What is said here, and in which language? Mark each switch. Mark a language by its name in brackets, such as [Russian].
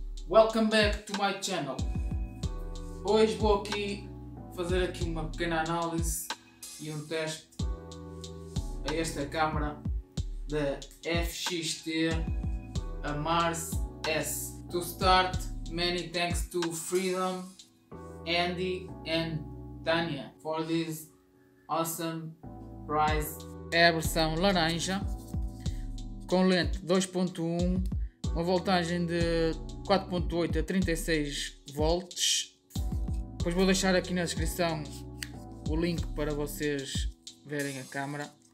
[English] Welcome back to my channel. [Portuguese] Hoje vou aqui fazer aqui uma pequena análise e um teste a esta câmara da FXT Amars S. [English] To start, many thanks to Freedom, Andy and Tanya for this awesome prize. [Portuguese] É a versão laranja com lente 2.1, uma voltagem de 4.8 a 36 volts. Depois vou deixar aqui na descrição o link para vocês verem a câmara.